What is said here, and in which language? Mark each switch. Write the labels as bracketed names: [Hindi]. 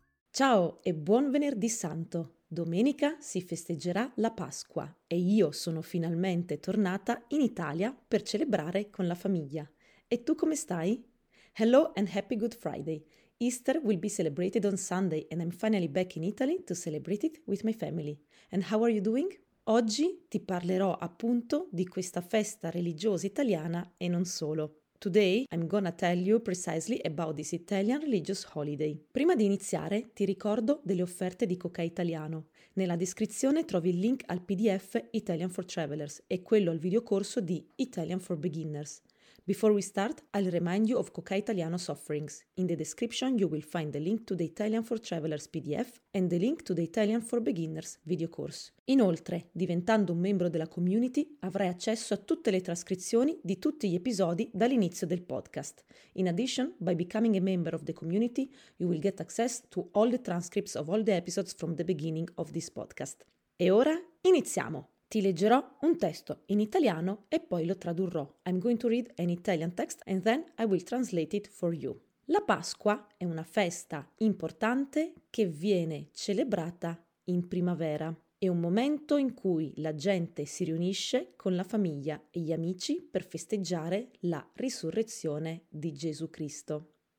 [Italian] Ciao e buon venerdì santo! Domenica si festeggerà la Pasqua e io sono finalmente tornata in Italia per celebrare con la famiglia. E tu come stai? [English] Hello and happy Good Friday! Easter will be celebrated on Sunday and I'm finally back in Italy to celebrate it with my family. And how are you doing? [Italian] Oggi ti parlerò appunto di questa festa religiosa italiana e non solo. [English] Today I'm gonna tell you precisely about this Italian religious holiday. [Italian] Prima di iniziare, ti ricordo delle offerte di Cocai Italiano. Nella descrizione trovi il link al PDF Italian for Travelers e quello al videocorso di Italian for Beginners. [English] Before we start, I'll remind you of Cocai Italiano's offerings. In the description you will find the link to the Italian for Travelers PDF and the link to the Italian for Beginners videocourse. [Italian] Inoltre, diventando un membro della community, avrai accesso a tutte le trascrizioni di tutti gli episodi dall'inizio del podcast. [English] In addition, by becoming a member of the community, you will get access to all the transcripts of all the episodes from the beginning of this podcast. [Italian] E ora, iniziamo! Ti leggerò un testo in italiano e poi lo tradurrò. [English] I'm going to read an Italian text and then I will translate it for you. [Italian] La Pasqua è una festa importante che viene celebrata in primavera. È un momento in cui la gente si riunisce con la famiglia e gli amici per festeggiare la risurrezione di Gesù Cristo.